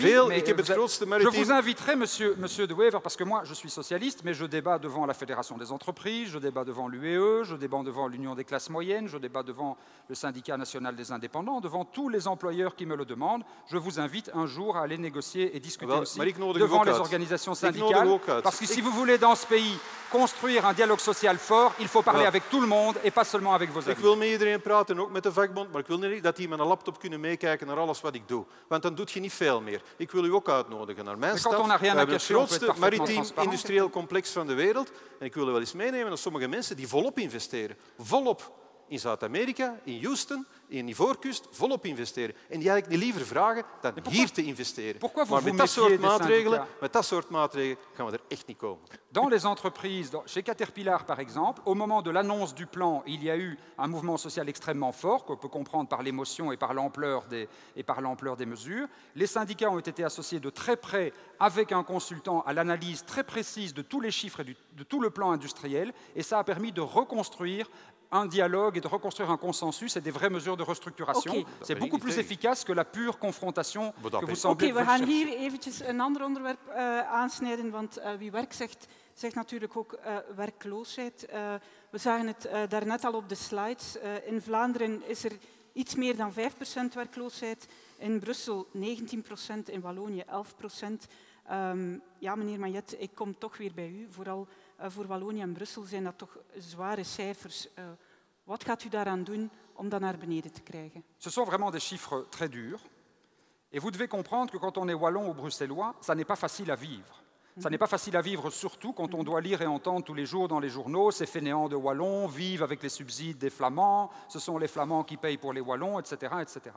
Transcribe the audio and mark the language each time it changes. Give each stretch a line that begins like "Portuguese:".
French: je vous inviterai, monsieur De Wever, parce que moi, je suis socialiste, mais je débat devant la Fédération des entreprises, je débat devant l'UE, je débat devant l'Union des classes moyennes, je débat devant le Syndicat national des indépendants, devant tous les employeurs qui me le demandent. Je vous invite un jour à aller négocier et discuter aussi devant les organisations syndicales. Parce que si vous voulez, dans ce pays, construire un dialogue social fort, il faut parler avec tout le monde et pas seulement avec vos amis.
Dutch: Ik wil met iedereen praten, ook met de vakbond, maar ik wil niet dat die met een laptop kunnen meekijken naar alles wat ik doe. Want dan doe je niet veel meer. Ik wil u ook uitnodigen naar mijn stad. We hebben het grootste maritiem industrieel complex van de wereld. En ik wil u wel eens meenemen naar sommige mensen die volop investeren. Volop in Zuid-Amerika, in Houston, in Ivoorkust, volop investeren. En die eigenlijk niet liever vragen dan hier te investeren. Maar met dat soort maatregelen gaan we er echt niet komen.
French: Dans les entreprises, chez Caterpillar par exemple, au moment de l'annonce du plan, il y a eu un mouvement social extrêmement fort, qu'on peut comprendre par l'émotion et par l'ampleur des mesures. Les syndicats ont été associés de très près avec un consultant à l'analyse très précise de tous les chiffres et de tout le plan industriel, et ça a permis de reconstruire un dialogue et de reconstruire un consensus et des vraies mesures de restructuration. Okay. C'est beaucoup plus efficace que la pure confrontation que vous semblez vous chercher.
Dutch: Ok, we gaan hier eventjes een ander onderwerp aansnijden, want wie werk zegt, zegt natuurlijk ook werkloosheid. We zagen het daarnet al op de slides. In Vlaanderen is er iets meer dan 5% werkloosheid. In Brussel 19%, in Wallonië 11%. Ja, meneer Mayet, ik kom toch weer bij u. Vooral voor Wallonië en Brussel zijn dat toch zware cijfers. Wat gaat u daaraan doen om dat naar beneden te krijgen?
French: Ce sont vraiment des chiffres très durs. Et vous devez comprendre que quand on est Wallon ou Bruxellois, ça n'est pas facile à vivre. Ça n'est pas facile à vivre, surtout quand on doit lire et entendre tous les jours dans les journaux ces fainéants de Wallons vivent avec les subsides des Flamands, ce sont les Flamands qui payent pour les Wallons, etc., etc.